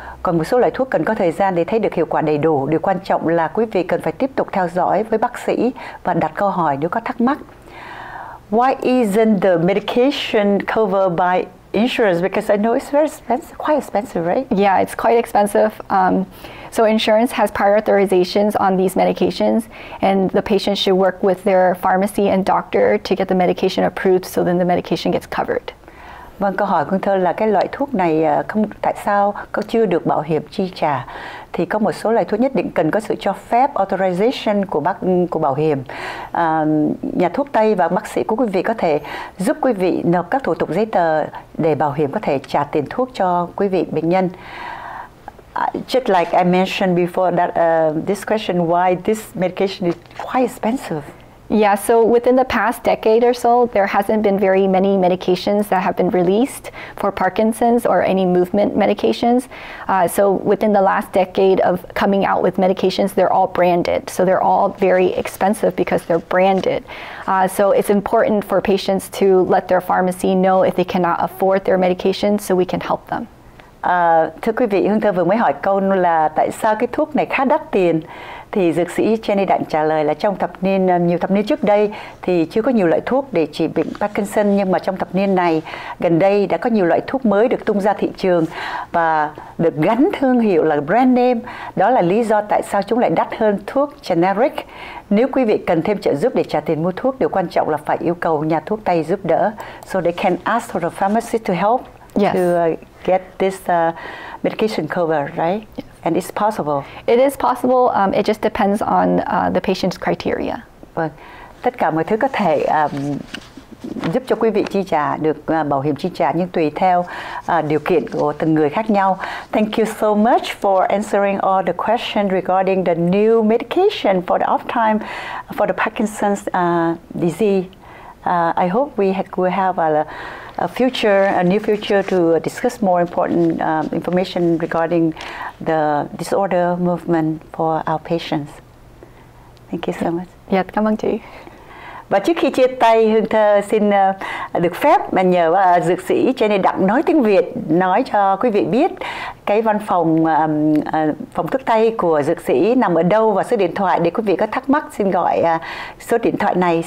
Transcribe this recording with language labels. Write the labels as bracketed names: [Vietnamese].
[Vietnamese] Còn một số loại thuốc cần có thời gian để thấy được hiệu quả đầy đủ. Điều quan trọng là quý vị cần phải tiếp tục theo dõi với bác sĩ và đặt câu hỏi nếu có thắc mắc. [English] Why isn't the medication covered by insurance? Because I know it's very expensive, quite expensive, right? Yeah, it's quite expensive. So insurance has prior authorizations on these medications, and the patient should work with their pharmacy and doctor to get the medication approved, so then the medication gets covered. [Vietnamese] Vâng, câu hỏi của Thơ là cái loại thuốc này không, tại sao có chưa được bảo hiểm chi trả? Thì có một số loại thuốc nhất định cần có sự cho phép, authorization của bảo hiểm. Nhà thuốc Tây và bác sĩ của quý vị có thể giúp quý vị nộp các thủ tục giấy tờ để bảo hiểm có thể trả tiền thuốc cho quý vị bệnh nhân. [English] Just like I mentioned before that this question, why this medication is quite expensive? Yeah, so within the past decade or so, there hasn't been very many medications that have been released for Parkinson's or any movement medications. So within the last decade of coming out with medications, they're all branded. So they're all very expensive because they're branded. So it's important for patients to let their pharmacy know if they cannot afford their medication so we can help them. [Vietnamese] Thưa quý vị, Hương Thơ vừa mới hỏi câu là tại sao cái thuốc này khá đắt tiền. Thì dược sĩ Jenny Đặng trả lời là trong nhiều thập niên trước đây thì chưa có nhiều loại thuốc để trị bệnh Parkinson, nhưng mà trong thập niên này gần đây đã có nhiều loại thuốc mới được tung ra thị trường và được gắn thương hiệu là brand name. Đó là lý do tại sao chúng lại đắt hơn thuốc generic. Nếu quý vị cần thêm trợ giúp để trả tiền mua thuốc, điều quan trọng là phải yêu cầu nhà thuốc Tây giúp đỡ. [English] So they can ask for the pharmacy to help. Yes. To get this medication covered, right? Yes. And it's possible. It is possible. It just depends on the patient's criteria. [Vietnamese] Vâng. Tất cả mọi thứ có thể giúp cho quý vị chi trả được bảo hiểm chi trả, nhưng tùy theo điều kiện của từng người khác nhau. [English] Thank you so much for answering all the questions regarding the new medication for the off time for the Parkinson's disease. I hope we will have a new future to discuss more important information regarding the disorder movement for our patients. Thank you so much. [Vietnamese] Yeah, cảm ơn chị. Và trước khi chia tay, Hương Thơ xin được phép mà nhờ dược sĩ Jenny Đặng nói tiếng Việt nói cho quý vị biết cái văn phòng phòng thuốc Tây của dược sĩ nằm ở đâu và số điện thoại để quý vị có thắc mắc xin gọi số điện thoại này.